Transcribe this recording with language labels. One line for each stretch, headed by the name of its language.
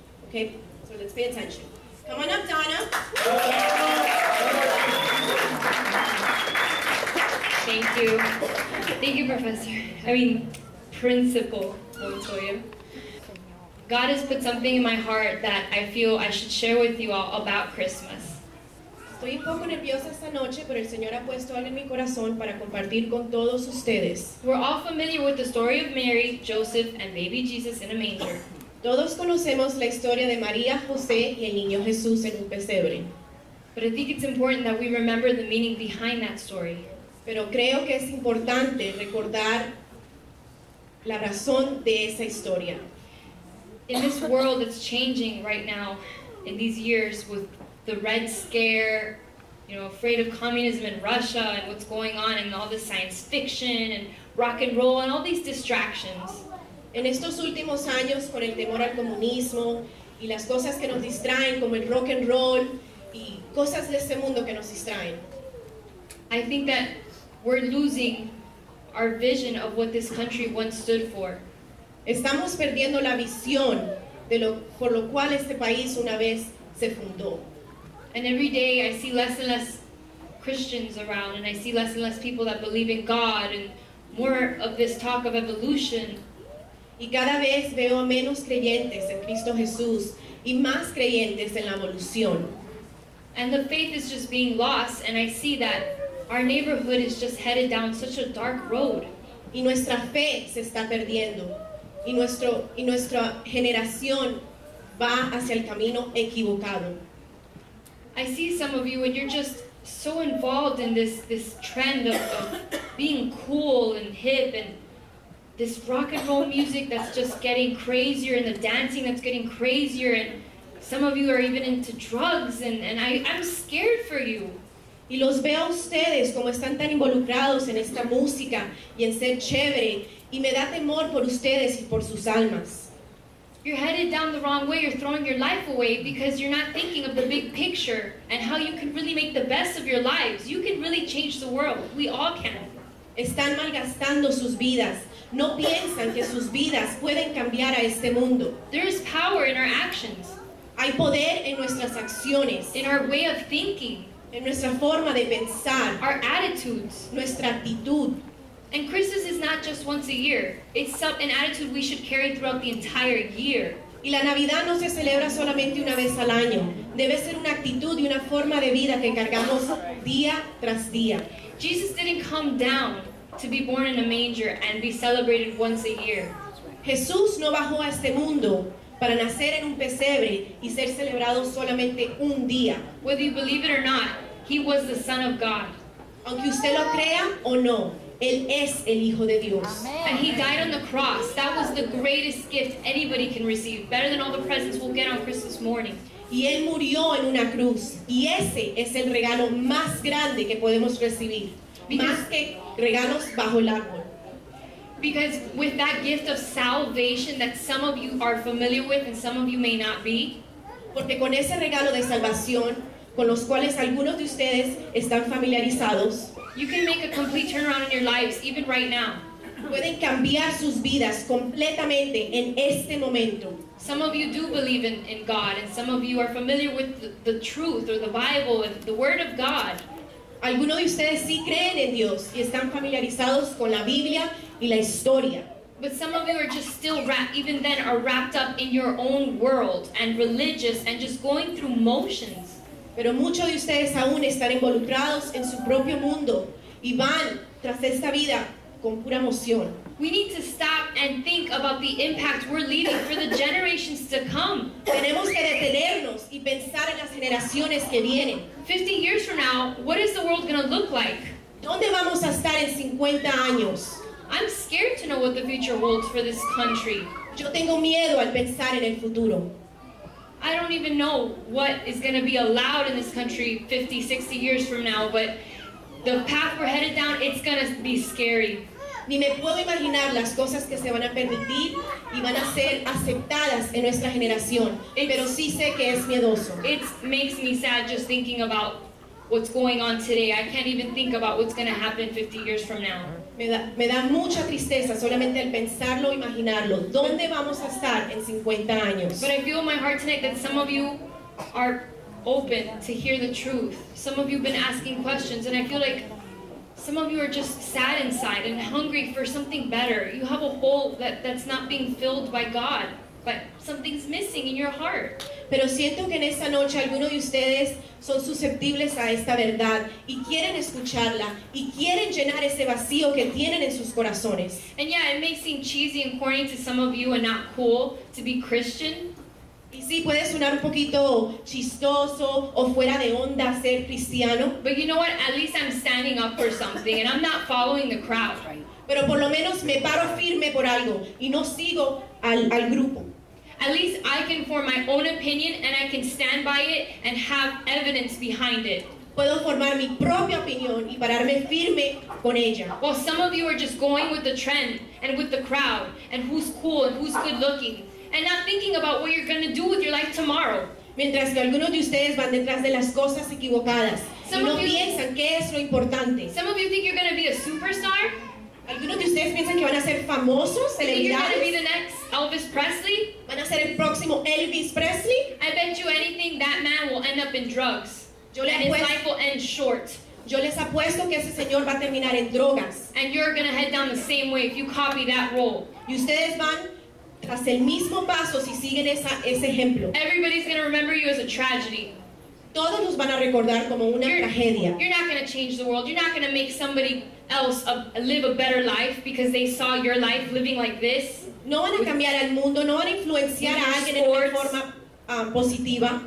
English: Okay? So let's pay attention. Come on up, Donna. Thank you. Thank you, Professor. Principal Montoya. God has put something in my heart that I feel I should share with you all about Christmas.
Spanish: Estoy un poco nerviosa esta noche, pero el Señor ha puesto algo en mi corazón para compartir con todos ustedes.
English: We're all familiar with the story of Mary, Joseph, and baby Jesus in a manger.
Spanish: Todos conocemos la historia de María, José, y el niño Jesús en un pesebre.
English: But I think it's important that we remember the meaning behind that story.
Spanish: Pero creo que es importante recordar la razón de esa historia.
English: In this world that's changing right now, in these years, with the Red Scare, you know, afraid of communism in Russia and what's going on and all the science fiction and rock and roll and all these distractions.
Spanish: En estos últimos años con el temor al comunismo y las cosas que nos distraen como el rock and roll y cosas de este mundo que nos distraen.
English: I think that we're losing our vision of what this country once stood for.
Spanish: Estamos perdiendo la visión de lo por lo cual este país una vez se fundó.
English: And every day I see less and less Christians around, and I see less and less people that believe in God, and more of this talk of evolution.
Spanish: Y cada vez veo menos creyentes en Cristo Jesús y más creyentes en la evolución.
English: And the faith is just being lost, and I see that our neighborhood is just headed down such a dark road.
Spanish: Y nuestra fe se está perdiendo, y nuestra generación va hacia el camino equivocado.
English: I see some of you and you're just so involved in this trend of being cool and hip and this rock and roll music that's just getting crazier and the dancing that's getting crazier and some of you are even into drugs and I'm scared for you.
Spanish: Y los veo a ustedes como están tan involucrados en esta música y en ser chévere y me da temor por ustedes y por sus almas.
English: You're headed down the wrong way. You're throwing your life away because you're not thinking of the big picture and how you can really make the best of your lives. You can really change the world. We all can.
Spanish: Están malgastando sus vidas. No piensan que sus vidas pueden cambiar a este mundo.
English: There is power in our actions.
Spanish: Hay poder en nuestras acciones.
English: In our way of thinking.
Spanish: En nuestra forma de pensar.
English: Our attitudes.
Spanish: Nuestra actitud.
English: And Christmas is not just once a year. It's an attitude we should carry throughout the entire year.
Spanish: Y la Navidad no se celebra solamente una vez al año. Debe ser una actitud y una forma de vida que cargamos día tras día.
English: Jesus didn't come down to be born in a manger and be celebrated once a year.
Spanish: Jesús no bajó a este mundo para nacer en un pesebre y ser celebrado solamente un día.
English: Whether you believe it or not, he was the Son of God.
Spanish: Aunque usted lo crea o no, Él es el Hijo de Dios.
English: Amen. And he died on the cross. That was the greatest gift anybody can receive, better than all the presents we'll get on Christmas morning.
Spanish: Y él murió en una cruz. Y ese es el regalo más grande que podemos recibir. Más que regalos bajo el árbol.
English: Because with that gift of salvation that some of you are familiar with and some of you may not be.
Spanish: Porque con ese regalo de salvación, con los cuales algunos de ustedes están familiarizados,
English: you can make a complete turnaround in your lives, even right now.
Spanish: Pueden cambiar sus vidas completamente en este momento.
English: Some of you do believe in God, and some of you are familiar with the truth or the Bible and the Word of God.
Spanish: Algunos de ustedes sí creen en Dios y están familiarizados con la Biblia y la historia.
English: But some of you are just still wrapped, even then, are wrapped up in your own world and religious and just going through motions.
Spanish: Pero muchos de ustedes aún están involucrados en su propio mundo y van tras esta vida con pura emoción.
English: We need to stop and think about the impact we're leaving for the generations to come.
Spanish: Tenemos que detenernos y pensar en las generaciones que vienen.
English: 50 years from now, what is the world going to look like?
Spanish: ¿Dónde vamos a estar en 50 años?
English: I'm scared to know what the future holds for this country.
Spanish: Yo tengo miedo al pensar en el futuro.
English: I don't even know what is going to be allowed in this country 50, 60 years from now, but the path we're headed down, it's going to be scary.
Spanish: Ni me puedo imaginar las cosas que se van a permitir y van a ser aceptadas en nuestra generación, pero sí sé que es miedoso.
English: It makes me sad just thinking about what's going on today. I can't even think about what's going to happen 50 years from now.
Spanish: Me da mucha tristeza solamente al pensarlo, imaginarlo. ¿Dónde vamos a estar en 50 años?
English: But I feel in my heart tonight that some of you are open to hear the truth. Some of you have been asking questions, and I feel like some of you are just sad inside and hungry for something better. You have a hole that's not being filled by God, but something's missing in your heart.
Spanish: Pero siento que en esta noche algunos de ustedes son susceptibles a esta verdad y quieren escucharla y quieren llenar ese vacío que tienen en sus corazones.
English: And yeah, it may seem cheesy and corny to some of you and not cool to be Christian.
Spanish: Y sí, puede sonar un poquito chistoso o fuera de onda ser cristiano.
English: But you know what? At least I'm standing up for something and I'm not following the crowd, right?
Spanish: Pero por lo menos me paro firme por algo y no sigo al grupo.
English: At least I can form my own opinion and I can stand by it and have evidence behind it.
Spanish: Puedo formar mi propia opinión y pararme firme con ella.
English: Well, some of you are just going with the trend and with the crowd and who's cool and who's good looking and not thinking about what you're going to do with your life tomorrow.
Spanish: Mientras que algunos de ustedes van detrás de las cosas equivocadas y no piensan qué es lo importante.
English: Some of you think you're going to be a superstar.
Spanish: ¿Algunos de ustedes piensan que van a ser famosos, celebridades?
English: You're going to be the next Elvis Presley?
Spanish: ¿Van a ser el próximo Elvis Presley?
English: I bet you anything that man will end up in drugs. And his life will end short.
Spanish: Yo les apuesto que ese señor va a terminar en drogas.
English: And you're going to head down the same way if you copy that role.
Spanish: Y ustedes van tras el mismo paso si siguen ese ejemplo.
English: Everybody's going to remember you as a tragedy.
Spanish: Todos nos van a recordar como una tragedia.
English: You're not going to change the world. You're not going to make somebody else live a better life because they saw your life living like this.
Spanish: No van a cambiar al mundo, no van a influenciar a alguien en una forma positiva.